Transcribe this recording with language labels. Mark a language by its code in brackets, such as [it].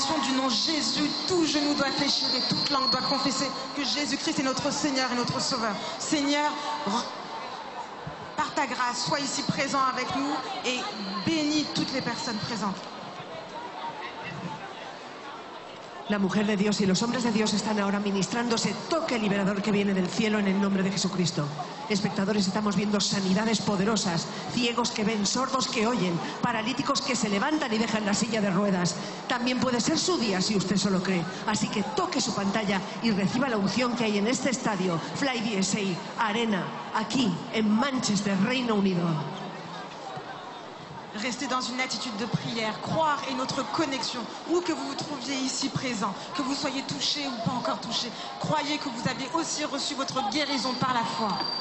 [fr] Du nom Jésus, tout genou doit fléchir et toute langue doit confesser que Jésus-Christ est notre Seigneur et notre Sauveur. Seigneur, par ta grâce, sois ici présent avec nous et bénis toutes les personnes présentes. [es] La mujer de Dios y los hombres de Dios están ahora ministrando ese toque liberador que viene del cielo en el nombre de Jesucristo. Espectadores, estamos viendo sanidades poderosas, ciegos que ven, sordos que oyen, paralíticos que se levantan y dejan la silla de ruedas. También puede ser su día si usted solo cree. Así que toque su pantalla y reciba la unción que hay en este estadio, Fly DSA Arena, aquí en Manchester, Reino Unido. [fr] Restez dans une attitude de prière, croire et notre connexion, où que vous vous trouviez ici présent, que vous soyez touché ou pas encore touché, croyez que vous avez aussi reçu votre guérison par la foi.